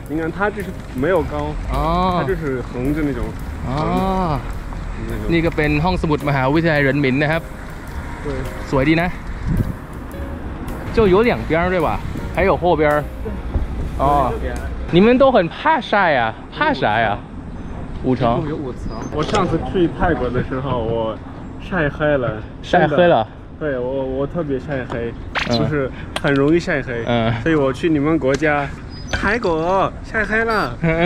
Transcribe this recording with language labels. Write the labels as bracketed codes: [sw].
[zh] 你看它就是没有高它就是横着那种 [th] นี่ก็เป็นห้องสมุดมหาวิทยาลัยเหรินหมินนะครับสวยดีนะ [zh] 就有两边对吧还有后边哦你们都很怕晒啊怕啥呀五层有五层我上次去泰国的时候我晒黑了晒黑了对我特别晒黑就是很容易晒黑所以我去你们国家泰国晒黑了